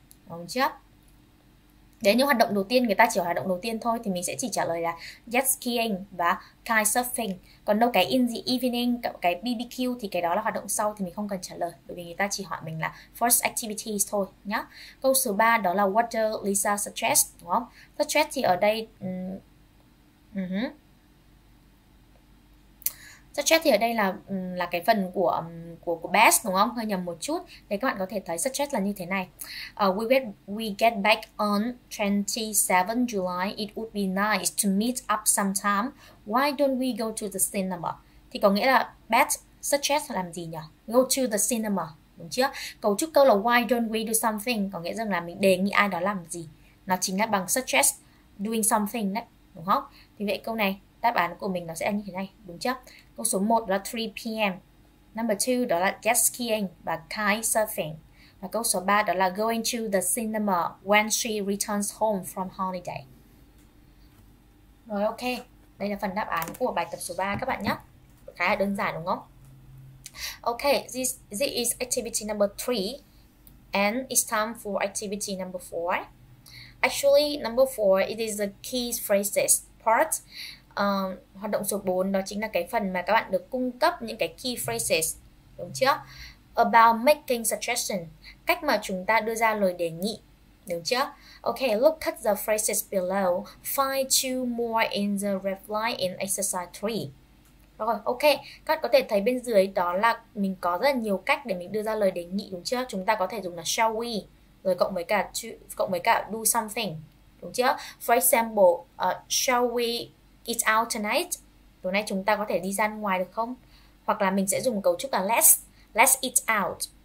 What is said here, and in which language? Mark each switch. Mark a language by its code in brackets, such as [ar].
[vi] Đúng chưa? Đến những hoạt động đầu tiên, người ta chỉ hoạt động đầu tiên thôi thì mình sẽ chỉ trả lời là jet skiing và kitesurfing. Còn đâu cái [en] in the evening, [vi] cái BBQ thì cái đó là hoạt động sau thì mình không cần trả lời, bởi vì người ta chỉ hỏi mình là first activities thôi nhá. Câu số 3 đó là [en] what does Lisa suggest, [vi] đúng không? Suggest thì ở đây suggest thì ở đây là cái phần của best đúng không? Hơi nhầm một chút. Để các bạn có thể thấy suggest là như thế này. [en] We get back on 27 July. It would be nice to meet up sometime. Why don't we go to the cinema? [vi] Thì có nghĩa là best suggest làm gì nhỉ? [en] Go to the cinema, [vi] đúng chưa? Cấu trúc câu là [en] why don't we do something [vi] có nghĩa rằng là mình đề nghị ai đó làm gì. Nó chính là bằng [en] suggest doing something [vi] đấy, đúng không? Thì vậy câu này đáp án của mình nó sẽ như thế này, đúng chưa? Câu số 1 là 3 p.m. Number 2 đó là jet skiing và kitesurfing. Và câu số 3 đó là [en] going to the cinema when she returns home from holiday. [vi] Rồi ok, đây là phần đáp án của bài tập số 3 các bạn nhé. Khá là đơn giản đúng không? [en] Ok, this is activity number 3. And it's time for activity number 4. Actually, number 4, it is the key phrases part. [vi] Hoạt động số 4 đó chính là cái phần mà các bạn được cung cấp những cái key phrases, đúng chưa? [en] About making suggestion, [vi] cách mà chúng ta đưa ra lời đề nghị, đúng chưa? [en] Ok, look at the phrases below. Find two more in the reply in exercise 3. [vi] Rồi, ok, các bạn có thể thấy bên dưới đó là mình có rất là nhiều cách để mình đưa ra lời đề nghị, đúng chưa? Chúng ta có thể dùng là [en] shall we, [vi] rồi cộng với cả do something, đúng chưa? [en] For example, shall we eat out tonight? [vi] Tối nay chúng ta có thể đi ra ngoài được không? Hoặc là mình sẽ dùng cấu trúc là [en] let's eat out.